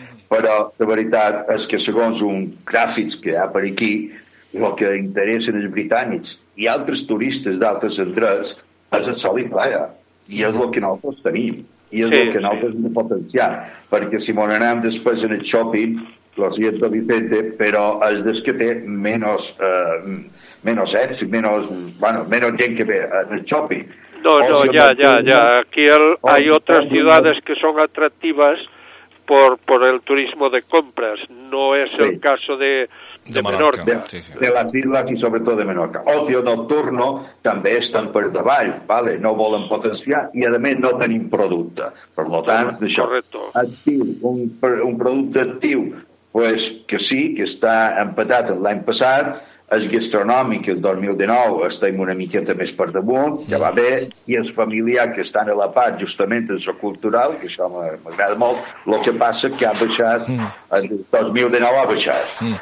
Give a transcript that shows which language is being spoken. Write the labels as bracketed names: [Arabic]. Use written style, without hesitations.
[Catalan] Però la veritat és que segons un gràfic que hi ha per aquí, el que interessa els britànics i altres turistes d'altres entrats és el Sol i Playa. I és el que nosaltres tenim. I és el que nosaltres hem de potenciar. Perquè si m'ho anem després en el shopping, [Spanish] lo siento Vicente, [Catalan] però és des que té menys menys èxit, menys, bueno, menys gent que ve en el shopping. No, no, ja, ja, ja. [Spanish] Aquí el, hay otras ciudades que son atractivas por el turismo de compras. No es el caso de Menorca. De las islas y sobre todo de Menorca. [Catalan] Ocio nocturno també estan per davall, ¿vale? No volen potenciar i, a més, no tenim producte. Per lo tant, això, actiu, un producte actiu, pues que sí, que està empatat l'any passat, el gastronòmic, el 2019, estem una miqueta més per damunt, ja va bé, i els familiars que estan a la part, justament, en el cultural, que això m'agrada molt, el que passa que ha baixat, el 2019 ha baixat.